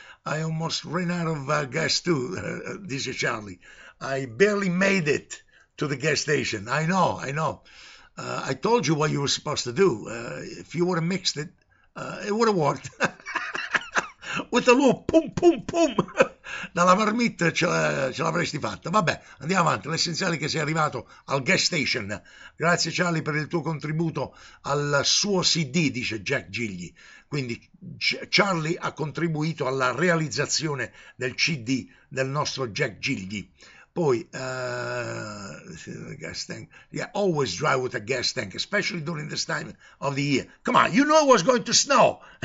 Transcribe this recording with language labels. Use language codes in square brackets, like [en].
[en] I almost ran out of gas too, dice Charlie. I barely made it to the gas station. I know. I told you what you were supposed to do. If you would have mixed it, it would have worked. With a little pum pum pum. [it] dalla marmitta ce l'avresti fatta. Vabbè, andiamo avanti. L'essenziale è che sei arrivato al gas station. Grazie Charlie per il tuo contributo al suo CD, dice Jack Gigli. Quindi Charlie ha contribuito alla realizzazione del CD del nostro Jack Gigli. [en] Poi, gas tank. Yeah, always drive with a gas tank, especially during this time of the year. Come on, you know it was going to snow.